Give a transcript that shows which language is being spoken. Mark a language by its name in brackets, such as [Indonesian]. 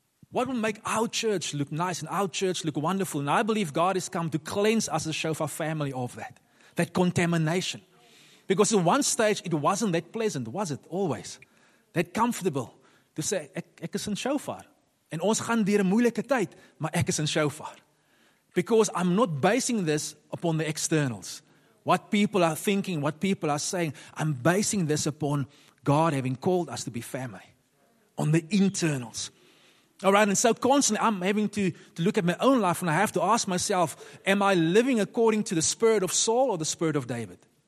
[English] What will make our church look nice and our church look wonderful? And I believe God has come to cleanse us as a shofar family of that, that contamination. Because at one stage, it wasn't that pleasant, was it? Always. That comfortable to say, [Afrikaans] ek is in shofar. En ons gaan deur 'n moeilike tyd, maar ek is in shofar. [English] Because I'm not basing this upon the externals. What people are thinking, what people are saying. I'm basing this upon God having called us to be family. On the internals. All right, and so constantly I'm having to look at my own life and I have to ask myself, am I living according to the spirit of Saul or the spirit of David?